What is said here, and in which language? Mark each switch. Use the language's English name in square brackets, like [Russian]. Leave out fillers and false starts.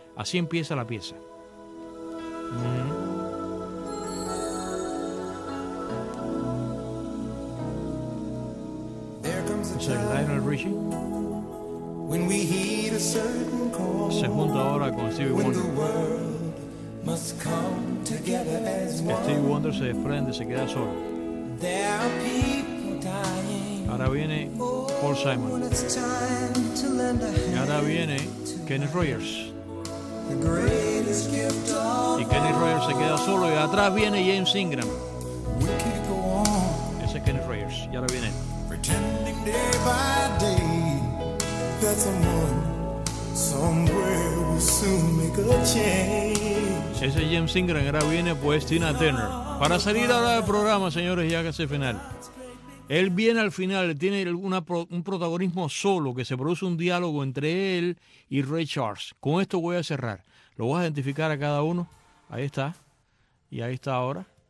[Spanish] Así empieza la pieza. Lionel Richie. [English] When we hear a certain call, [Spanish] se junta ahora con Stevie Wonder. [English] When the world must come together as one. [Spanish] Steve Wonder se desprende, se queda solo. [English] There are people dying. [Spanish] Ahora viene Paul Simon. [English] When it's time to lend a hand. [Spanish] Y ahora viene Kenny Rogers. [English] The greatest gift of [Spanish] y Kenny Rogers se queda solo. Y atrás viene James Ingram. [English] We can go on. [Spanish] Ese es Kenny Rogers. Y ahora viene. [English] Pretending day by day that someone somewhere will soon make a change. [Spanish] Ese James Ingram. Ahora viene pues Tina Turner. Para salir ahora del programa, señores, ya que es el final. Él viene al final, tiene un protagonismo solo, que se produce un diálogo entre él y Ray Charles. Con esto voy a cerrar. Lo voy a identificar a cada uno. Ahí está. Y ahí está ahora.